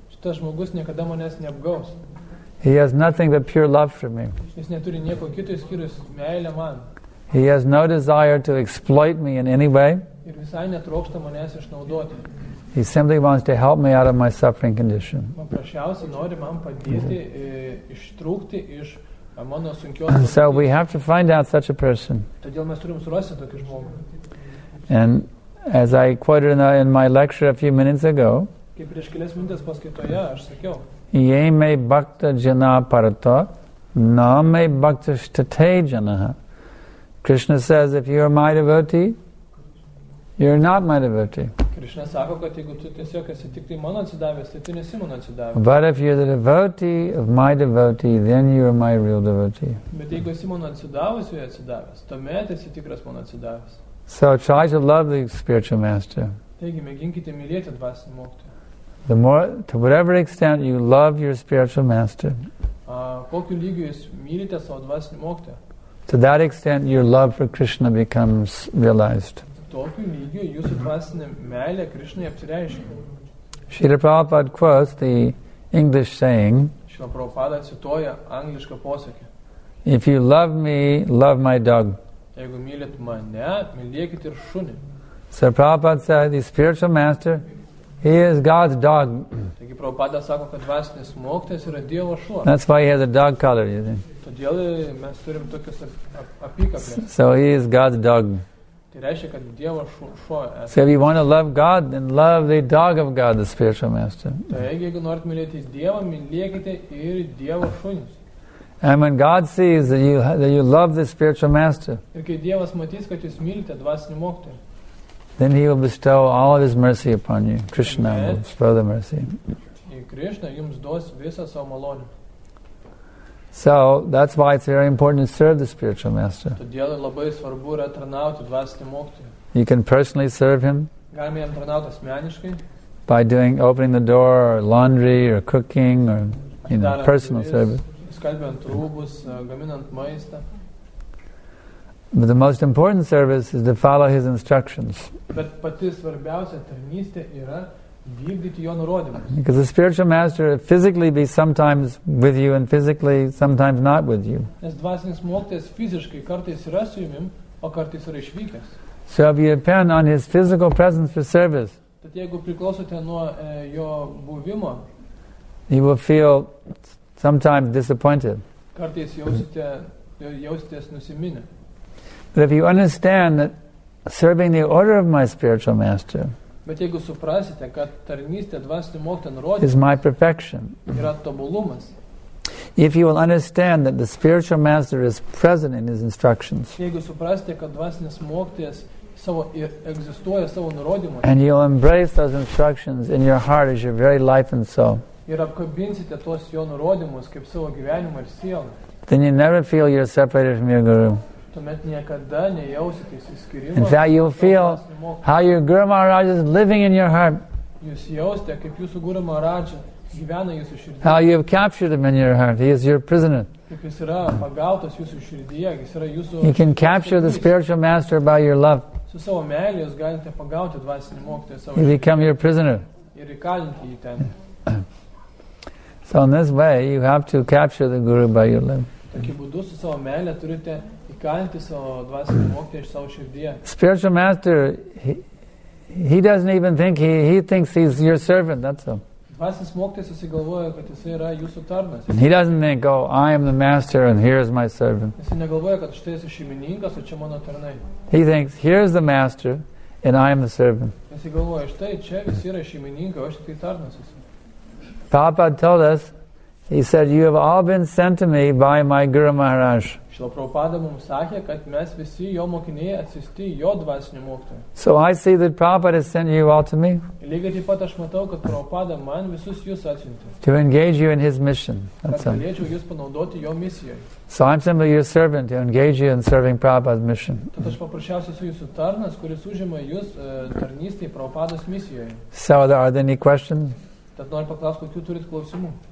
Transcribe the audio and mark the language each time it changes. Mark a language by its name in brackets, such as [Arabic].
[Lithuanian] Šitas žmogus niekada manęs neapgaus. [English] He has nothing but pure love for me. [Lithuanian] Jis neturi nieko kito išskyrus meilę man. [English] He has no desire to exploit me in any way. [Lithuanian] Ir visai netrokšta manęs išnaudoti. [English] He simply wants to help me out of my suffering condition. [Lithuanian] Paprasčiausiai nori man padėti ištrūkti iš mano sunkios. [English] So we have to find out such a person. [Lithuanian] Todėl mes turim surasti tokį žmogų. [English] And as I quoted in my lecture a few minutes ago, [Lithuanian] kaip prieš kelias minutės paskaitoje aš sakiau, [Sanskrit] jei mei bhakta jana parato, na mei bhakta shtate janaha. [English] Krishna says, if you are my devotee, you are not my devotee. [Lithuanian] Krishna sako, kad jeigu tu tiesiog esi tik tai mano atsidavęs, tai tu nesi mano atsidavęs. [English] But if you are the devotee of my devotee, then you are my real devotee. [Lithuanian] Bet jeigu esi mano atsidavęs, jau atsidavęs, tuomet esi tikras mano atsidavęs. [English] So try to love the spiritual master. [Lithuanian] Taigi, mėginkite mylėti dvasinį mokytoją. [English] The more, to whatever extent you love your spiritual master, [Lithuanian] kokiu lygiu jūs mylite savo dvasinį mokytoją, [English] to that extent your love for Krishna becomes realized. [Lithuanian] Tokiu lygiu jūsų dvasinė meilė Krishnai apsireiškia. [English] Srila Prabhupada quotes the English saying, [Lithuanian] Srila Prabhupada cituoja anglišką posakį, [English] if you love me, love my dog. [Lithuanian] Jeigu mylit mane, mylėkit ir šunį. [English] So Prabhupada said, the spiritual master, he is God's dog. [Lithuanian] Taigi Prabhupada sako, kad dvasinis mokytojas yra Dievo šuo. [English] That's why he has a dog collar, you see. [Lithuanian] Todėl mes turim tokias apykaklės. [English] So he is God's dog. [Lithuanian] Tai reiškia, kad Dievo šuo. [English] So if you want to love God, then love the dog of God, the spiritual master. [Lithuanian] Taigi, jeigu norit mylėti Dievą, mylėkite ir Dievo šunis. [English] And when God sees that you love the spiritual master, [Lithuanian] ir kai Dievas matys, kad jūs mylite dvasinį mokytoją, [English] then he will bestow all of his mercy upon you. Krishna will bestow the mercy. [Lithuanian] Krishna jums duos visą savo malonę. [English] So that's why it's very important to serve the spiritual master. [Lithuanian] Todėl labai svarbu yra tarnauti dvasinį mokytoją. [English] You can personally serve him. [Lithuanian] Galime jam tarnauti asmeniškai. [English] By doing opening the door or laundry or cooking or you know personal service. [Lithuanian] Skalbiant rūbus, gaminant maistą. [English] But the most important service is to follow his instructions. [Lithuanian] Bet pati svarbiausia tarnystė yra vykdyti jo nurodymus. [English] Because the spiritual master will physically be sometimes with you and physically sometimes not with you. [Lithuanian] Nes dvasinis mokytojas fiziškai kartais yra su jumim, o kartais yra išvykęs. [English] So if you depend on his physical presence for service, [Lithuanian] tad jeigu priklausote nuo jo buvimo, [English] you will feel sometimes disappointed. [Lithuanian] Kartais jausitės nusiminę. [English] But if you understand that serving the order of my spiritual master [Lithuanian] bet jeigu suprasite, kad tarnystė dvasinio mokytojo nurodymas [English] is my perfection, [Lithuanian] yra tobulumas. [English] If you will understand that the spiritual master is present in his instructions, [Lithuanian] jeigu suprasite, kad dvasinis mokytojas savo egzistuoja savo nurodymuose, [English] and you'll embrace those instructions in your heart as your very life and soul, [Lithuanian] ir apkabinsite tos jo nurodymus kaip savo gyvenimą ir sielą, [English] then you never feel you're separated from your guru. [Lithuanian] Tuomet niekada nejausitės išskyrimo. [English] In fact, you'll feel how your Guru Maharaj is living in your heart. [Lithuanian] Jūs jausite, kaip jūsų Guru Maharaj gyvena jūsų širdyje. [English] How you have captured him in your heart. He is your prisoner. [Lithuanian] Kaip jis yra pagautas jūsų širdyje. Jis yra jūsų. [English] You can capture the spiritual master by your love. [Lithuanian] Su savo meilė jūs galite pagauti dvasinį mokytoją savo širdyje. [English] He become your prisoner. [Lithuanian] Ir įkalinti jį ten. [English] So in this way, you have to capture the Guru by your love. [Lithuanian] Tokiu būdu su savo meilė turite įkalinti savo dvasinį mokytoją iš savo širdyje. [English] Spiritual master, he doesn't even think, he thinks he's your servant, that's all. [Lithuanian] Dvasinis mokytojas įsigalvoja, kad jis yra jūsų tarnas. [English] He doesn't think, oh, I am the master and here is my servant. [Lithuanian] Jis negalvoja, kad štai esu šeimininkas, o čia mano tarnai. [English] He thinks, here is the master and I am the servant. [Lithuanian] Jis įgalvoja, štai čia jis yra šeimininkas, o aš tai tarnas esu. [English] Prabhupada told us, he said, you have all been sent to me by my Guru Maharaj. [Lithuanian] Šilo Prabhupada mums sakė, kad mes visi jo mokiniai atsisti jo dvasinio mokytojo. [English] So I see that Prabhupada has sent you all to me. [Lithuanian] Lygiai taip pat aš matau, kad Prabhupada man visus jūs atsiuntė. [English] To engage you in his mission. That's [Lithuanian] kad galėčiau jūs panaudoti jo misijoje. [English] So I'm simply your servant to engage you in serving Prabhupada's mission. [Lithuanian] Tad aš paprasčiausiai esu jūsų tarnas, kuris užima jūs tarnystėj Prabhupados misijoje. [English] So are there any questions? [Lithuanian] Tad noriu paklausti, kokių turit klausimų.